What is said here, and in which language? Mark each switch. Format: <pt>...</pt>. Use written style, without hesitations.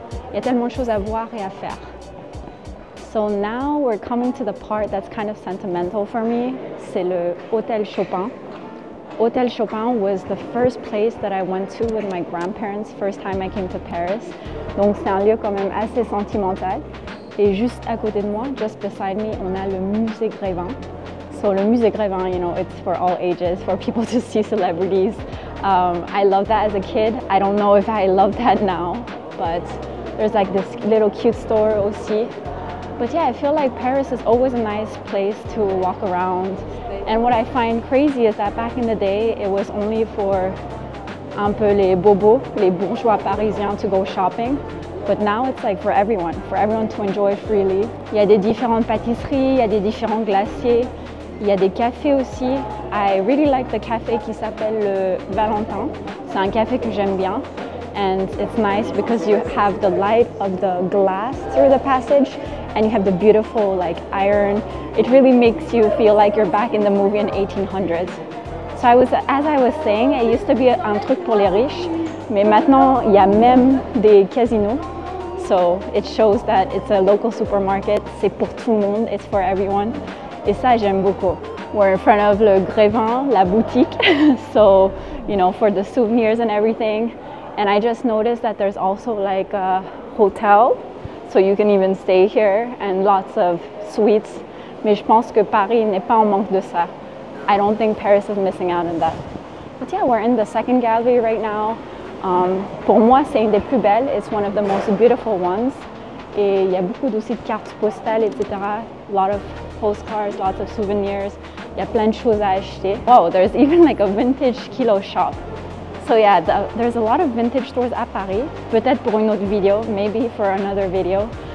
<fr>Il y a tellement de choses à voir et à faire.</fr> <en>So now we're coming to the part that's kind of sentimental for me.</en> <fr>C'est le Hôtel Chopin.</fr> <en>Hôtel Chopin was the first place that I went to with my grandparents, first time I came to Paris.</en> <fr>Donc c'est un lieu quand même assez sentimental. Et juste à côté de moi,</fr> <en>just beside me,</en> <fr>on a le Musée Grévin.</fr> <en>So le Musée Grévin, you know, it's for all ages, for people to see celebrities. I loved that as a kid. I don't know if I love that now, but there's like this little cute store aussi. But yeah, I feel like Paris is always a nice place to walk around. And what I find crazy is that back in the day, it was only for</en> <fr>un peu les bobos, les bourgeois parisiens</fr> <en>to go shopping. But now it's like for everyone to enjoy freely.</en> <fr>Il y a des différentes pâtisseries, il y a des différents glaciers, il y a des cafés aussi.</fr> <en>I really like the cafe</en> <fr>qui s'appelle le Valentin. C'est un café que j'aime bien.</fr> <en>And it's nice because you have the light of the glass through the passage and you have the beautiful like iron. It really makes you feel like you're back in the movie in 1800s. So as I was saying, it used to be</en> <fr>un truc pour les riches. Mais maintenant, il y a même des casinos.</fr> <en>So it shows that it's a local supermarket.</en> <fr>C'est pour tout le monde,</fr> <en>it's for everyone.</en> <fr>Et ça, j'aime beaucoup.</fr> <en>We're in front of le Grévin, la boutique. So, you know, for the souvenirs and everything. And I just noticed that there's also like a hotel. So you can even stay here and lots of suites.</en> <fr>Mais je pense que Paris n'est pas en manque de ça.</fr> <en>I don't think Paris is missing out on that. But yeah, we're in the second gallery right now.</en> <fr>Pour moi, c'est une des plus belles.</fr> <en>It's one of the most beautiful ones.</en> <fr>Et il y a beaucoup aussi de cartes postales, etc.</fr> <en>A lot of postcards, lots of souvenirs.</en> <fr>Il y a plein de choses à acheter.</fr> <en>Wow, there's even like a vintage kilo shop. So yeah, there's a lot of vintage stores à Paris.</en> <fr>Peut-être pour une autre vidéo,</fr> <en>maybe for another video.</en>